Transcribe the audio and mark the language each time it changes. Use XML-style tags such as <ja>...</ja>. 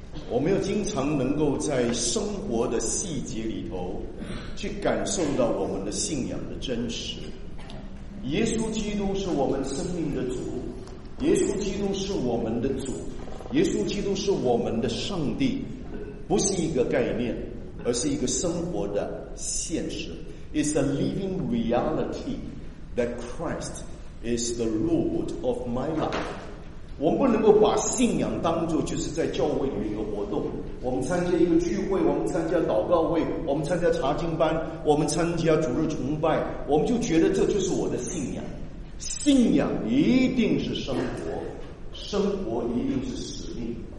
<zh>我们要经常能够在生活的细节里头去感受到我们的信仰的真实。耶稣基督是我们生命的主，耶稣基督是我们的主，耶稣基督是我们的上帝，不是一个概念，而是一个生活的现实。</zh> <en>It's a living reality that Christ is the Lord of my life。</en> <zh>我们不能够把信仰当作就是在教会里面一个活动，我们参加一个聚会，我们参加祷告会，我们参加查经班，我们参加主日崇拜，我们就觉得这就是我的信仰。信仰一定是生活，生活一定是使命。</zh>